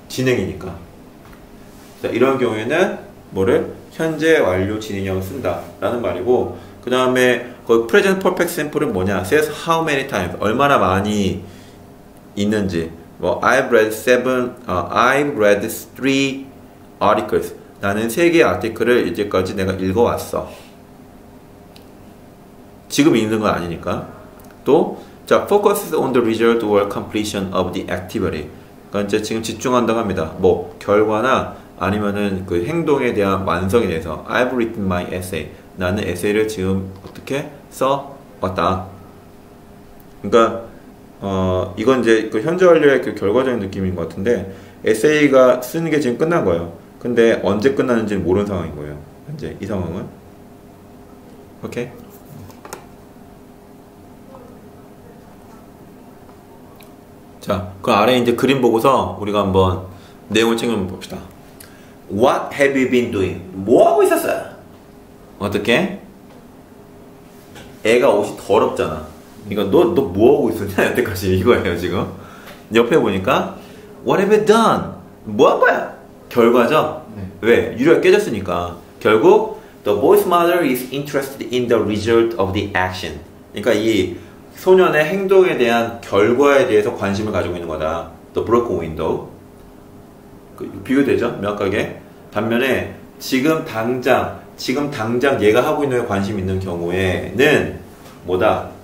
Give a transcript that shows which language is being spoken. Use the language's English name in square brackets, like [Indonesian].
[Korean] 진행이니까. 자, 이런 경우에는 뭐를 현재 완료 진행형을 쓴다라는 말이고, 그 다음에 그 present perfect simple은 뭐냐? [English] Says how many times [Korean] 얼마나 많이 있는지. [English] 뭐 I've read three articles. [Korean] 나는 세 개의 아티클을 이제까지 내가 읽어왔어. 지금 읽는 건 아니니까. 또, 자, [English] focuses on the result or completion of the activity. [Korean] 그러니까 이제 지금 집중한다고 합니다. 뭐, 결과나 아니면은 그 행동에 대한 완성에 대해서. [English] I've written my essay. [Korean] 나는 에세이를 지금 어떻게 써왔다. 그러니까, 이건 이제 그 현재 완료의 그 결과적인 느낌인 것 같은데, 에세이가 쓰는 게 지금 끝난 거예요. 근데 언제 끝나는지는 모르는 상황인 거예요. 현재 이 상황은. 오케이. 자, 그 아래 이제 그림 보고서 우리가 한번 내용을 챙겨봅시다. [English] What have you been doing? [Korean] 뭐 하고 있었어? 어떻게? 애가 옷이 더럽잖아. 이거 너 뭐 하고 있었냐? 여태까지 이거예요, 지금. 옆에 보니까 [English] What have you done? [Korean] 뭐 한 거야? 결과죠? 네. 왜? 유리가 깨졌으니까. [English] 결국 The boy's mother is interested in the result of the action. [Korean] 그러니까 이 소년의 행동에 대한 결과에 대해서 관심을 가지고 있는 거다. [English] The broken window. [Korean] 그 비교되죠? 명확하게. 반면에 지금 당장 얘가 하고 있는 관심 있는 경우에는 뭐다?